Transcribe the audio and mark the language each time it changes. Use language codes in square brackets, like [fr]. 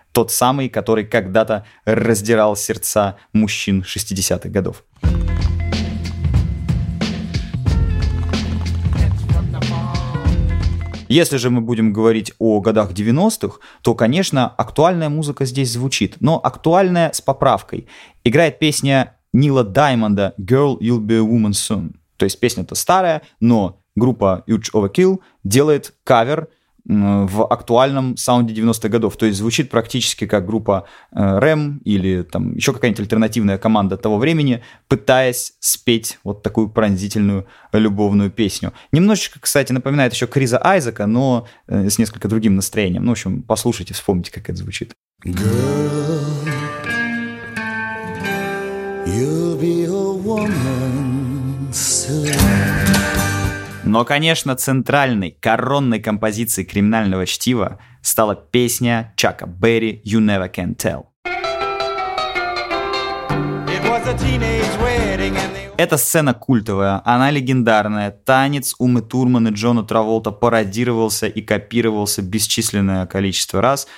[ru] Тот самый, который когда-то раздирал сердца мужчин 60-х годов. Если же мы будем говорить о годах 90-х, то, конечно, актуальная музыка здесь звучит, но актуальная с поправкой. Играет песня Нила Даймонда «Girl, You'll Be a Woman Soon». То есть песня-то старая, но группа Urge Overkill делает кавер в актуальном саунде 90-х годов. То есть звучит практически как группа REM или там еще какая-нибудь альтернативная команда того времени, пытаясь спеть вот такую пронзительную любовную песню. Немножечко, кстати, напоминает еще Криза Айзека, но с несколько другим настроением. Ну, в общем, послушайте, вспомните, как это звучит. [en] Girl, you'll be a woman soon. [ru] Но, конечно, центральной, коронной композицией криминального чтива стала песня Чака Берри «You Never Can Tell». Эта сцена культовая, она легендарная. Танец Умы Турман и Джона Траволта пародировался и копировался бесчисленное количество раз.